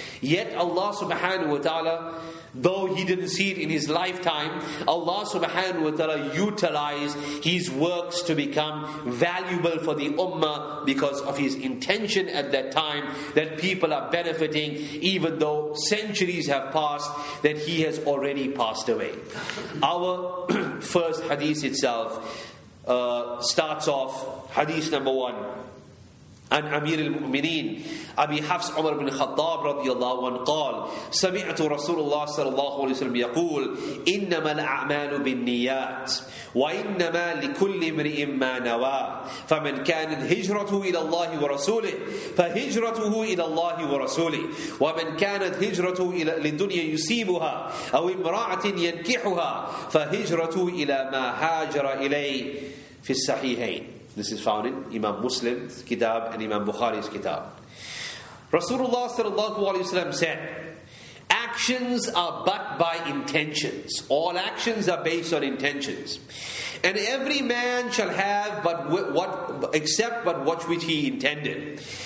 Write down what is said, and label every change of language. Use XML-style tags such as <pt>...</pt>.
<en>Yet Allah subhanahu wa ta'ala, though he didn't see it in his lifetime, Allah subhanahu wa ta'ala utilized his works to become valuable for the Ummah because of his intention at that time, that people are benefiting even though centuries have passed, that he has already passed away. Our first hadith itself starts off, hadith number one,</en> <ar>عن أمير المؤمنين أبي حفص عمر بن الخطاب رضي الله عنه قال سمعت رسول الله صلى الله عليه وسلم يقول إنما الأعمال بالنيات وإنما لكل امرئ ما نوى فمن كانت هجرته إلى الله ورسوله فهجرته إلى الله ورسوله ومن كانت هجرته إلى للدنيا يصيبها أو امرأة ينكحها فهجرته إلى ما هاجر إليه في الصحيحين.</ar> <en>This is found in Imam Muslim's kitab and Imam Bukhari's kitab. Rasulullah sallallahu alayhi wa sallam said, actions are but by intentions. All actions are based on intentions. And every man shall have but what, except but what which he intended.</en>